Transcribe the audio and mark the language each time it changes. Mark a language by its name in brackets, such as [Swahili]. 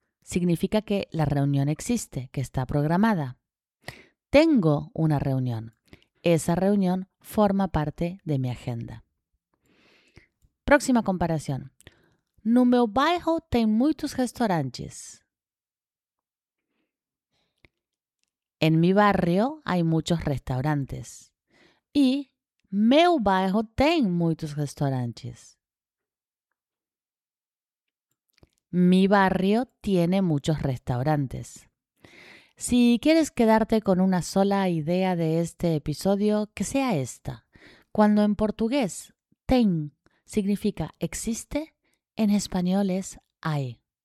[Spanish] Significa que la reunión existe, que está programada. Tengo una reunión. Esa reunión forma parte de mi agenda. Próxima comparación. [Portuguese] No meu bairro tem muitos restaurantes. [Spanish] En mi barrio hay muchos restaurantes. [Portuguese] Y meu bairro tem muitos restaurantes. [Spanish] Mi barrio tiene muchos restaurantes. Si quieres quedarte con una sola idea de este episodio, que sea esta. Cuando en portugués tem significa existe, en español es hay.